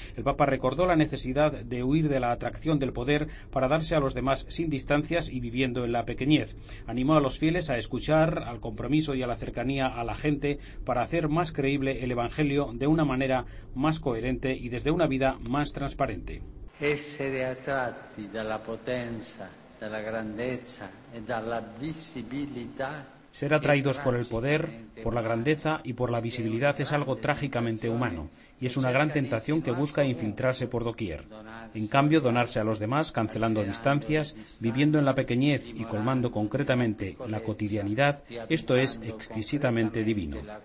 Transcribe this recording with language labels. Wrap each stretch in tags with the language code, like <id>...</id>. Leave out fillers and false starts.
<es>El Papa recordó la necesidad de huir de la atracción del poder para darse a los demás sin distancias y viviendo en la pequeñez. Animó a los fieles a escuchar, al compromiso y a la cercanía a la gente para hacer más creíble el Evangelio de una manera más coherente y desde una vida más transparente.</es> <it>Essere attratti dalla potenza, dalla grandezza e dalla visibilità.</it> <es>Ser atraídos por el poder, por la grandeza y por la visibilidad es algo trágicamente humano y es una gran tentación que busca infiltrarse por doquier. En cambio, donarse a los demás, cancelando distancias, viviendo en la pequeñez y colmando concretamente la cotidianidad, esto es exquisitamente divino.</es>